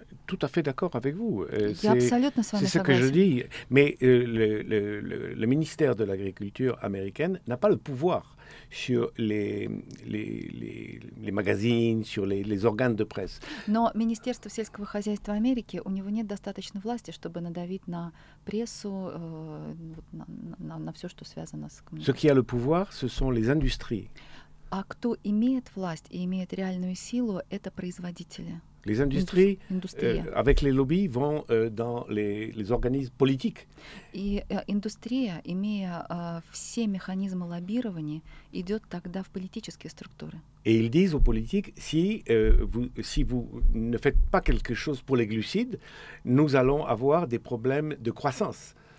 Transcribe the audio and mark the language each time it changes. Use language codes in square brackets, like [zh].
[fr] Tout à fait d'accord avec vous. C'est ce que je dis. Mais le ministère de l'Agriculture américaine n'a pas le pouvoir sur les magazines, sur les organes de presse. [ru] Но Министерство сельского хозяйства Америки, у него нет достаточно власти, чтобы надавить на прессу, на все, что связано с коммуникацией. [fr] Ce qui a le pouvoir, ce sont les industries. [ru] А кто имеет власть и имеет реальную силу, это производители. [fr] Les industries, avec les lobbies, vont dans les organismes politiques. [ru] И индустрия, имея все механизмы лоббирования, идет тогда в политические структуры. [fr] Et ils disent aux politiques, si vous ne faites pas quelque chose pour les glucides, nous allons avoir des problèmes de croissance.